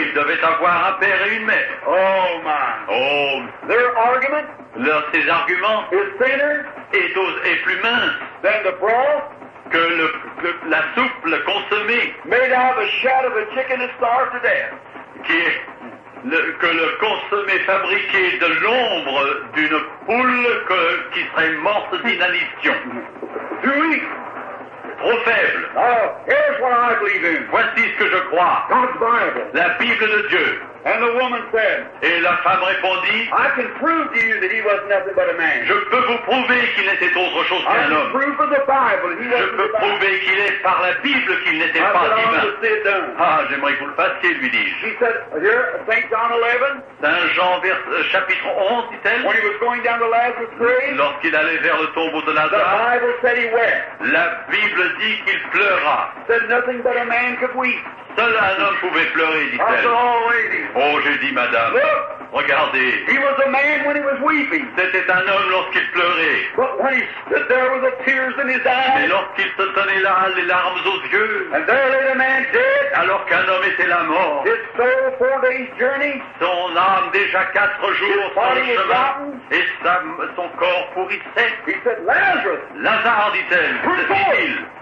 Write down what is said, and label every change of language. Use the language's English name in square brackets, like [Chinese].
[French] Il devait avoir un père et une mère. [English] Oh, man. Oh. Their argument, [French] ses arguments, [English] is thinner, [French] est plus mince, [English] than the broth, [French] que la soupe, le consommé, [English] made out of a shadow of a chicken and starved to death. [French] Que le consommé fabriqué de l'ombre d'une poule qui serait morte d'inanition. Oui. Trop faible. [English] Here's what I believe in. [French] Voici ce que je crois. [English] God's Bible. [French] La Bible de Dieu. [English] And the woman said, [French] et la femme répondit, [English] I can prove to you that he was nothing but a man. [French] Je peux vous prouver qu'il n'était autre chose qu'un homme. [English] I can prove from the Bible he wasn't [French] je peux prouver qu'il est par la Bible qu'il n'était pas [English] said, [French] divin. Ah, j'aimerais que vous le fassiez, lui dis-je. [English] She said, here, Saint John 11, [French] Saint Jean, chapitre 11, dit-elle, [English] when he was going down to Lazarus' grave, [French] lorsqu'il allait vers le tombeau de Lazare, [English] the Bible said he wept. [French] La Bible dit qu'il pleura. [English] Said nothing but a man could weep. [French] Seul un homme pouvait pleurer, dit-elle. Oh, j'ai dit, madame. [English] Look, [French] regardez. [English] He was a man when he was weeping. [French] C'était un homme lorsqu'il pleurait. [English] But when he stood there with the tears in his eyes. [French] Mais lorsqu'il se tenait là, les larmes aux yeux. [English] And there lay the man dead. [French] Alors qu'un homme était la mort. [English] His soul 4 days journey. [French] Son âme déjà 4 jours sur le chemin. Et son corps pourrissait. [English] He said, Lazarus. [French] Lazare, dit-elle. [English] Prepare.